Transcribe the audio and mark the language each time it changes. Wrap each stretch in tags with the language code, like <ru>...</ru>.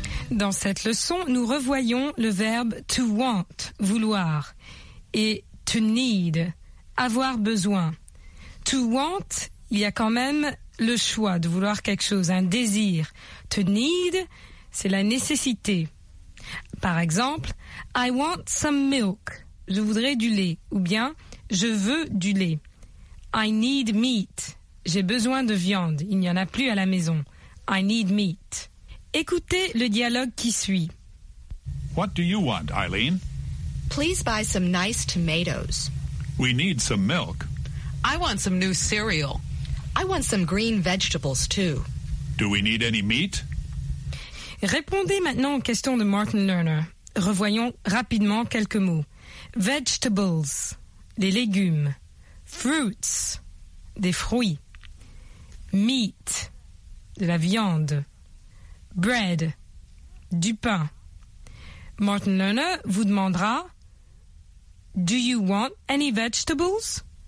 <fr>Dans cette leçon, nous revoyons le verbe to want, vouloir, et to need, avoir besoin. To want, il y a quand même le choix de vouloir quelque chose, un désir. To need, c'est la nécessité. Par exemple,</fr> <en>I want some milk.</en> <fr>Je voudrais du lait. Ou bien, je veux du lait.</fr> <en>I need meat.</en> <fr>J'ai besoin de viande. Il n'y en a plus à la maison.</fr> <en>I need meat.</en> <fr>Écoutez le dialogue qui suit.</fr> <en>What do you want, Eileen? Please buy some nice tomatoes. We need some milk. I want some new cereal. I want some green vegetables, too. Do we need any meat?</en> <fr>Répondez maintenant aux questions de Martin Lerner. Revoyons rapidement quelques mots. Vegetables, des légumes. Fruits, des fruits. Meat, de la viande. Bread, du pain. Martin Lerner vous demandera,</fr> <en>Do you want any vegetables?</en>